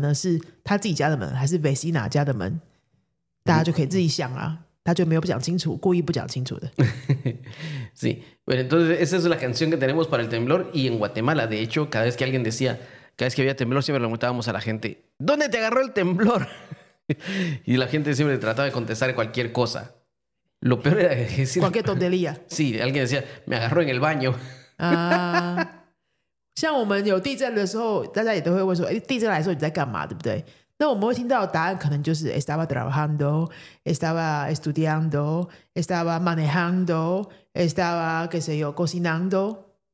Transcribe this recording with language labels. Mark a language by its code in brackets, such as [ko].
[zh] 就是说，我地震来的时候，我离家门靠得很近。那个门呢，是他自己家的门还是 vecina 家的门？大家就可以自己想啊。他就没有不讲清楚，故意不讲清楚的。 [es] Sí, bueno, entonces esa es la canción que tenemos para el temblor. Y en Guatemala, de hecho, cada vez que alguien decía, cada vez que había temblor, siempre le preguntábamos a la gente, ¿dónde te agarró el temblor? Y la gente siempre trataba de contestar cualquier cosa. Lo peor era decir... Cualquier tontería. Sí, alguien decía, me agarró en el baño. [zh] Como我们有地震的时候，大家也都会问说，地震来的时候你在干嘛，对不对？那我们会听到的答案可能就是 [es] estaba trabajando, estaba estudiando, estaba manejando, estaba, qué sé yo, cocinando.